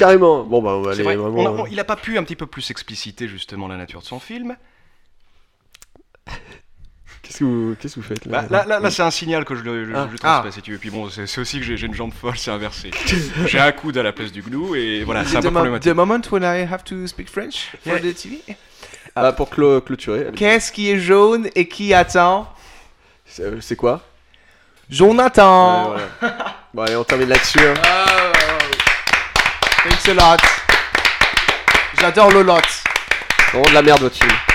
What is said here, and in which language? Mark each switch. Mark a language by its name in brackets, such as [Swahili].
[French] carrément. Bon, bah, on va aller. C'est vrai. Vraiment, il a pas pu un petit peu plus expliciter justement la nature de son film. Qu'est-ce que vous faites là? Là, c'est un signal que je transmets, si tu veux. Puis bon, c'est aussi que j'ai une jambe folle, c'est inversé. J'ai un coude à la place du genou et voilà, c'est un peu problématique. [English] The moment when I have to speak French for the TV. [French] Ah, pour clôturer. Allez. Qu'est-ce qui est jaune et qui attend? C'est quoi? Jonathan. Voilà. Bon, allez, on termine là-dessus. Hein. [English] Oh. Thanks a lot. [French] J'adore le lot. Bon, de la merde, votre film.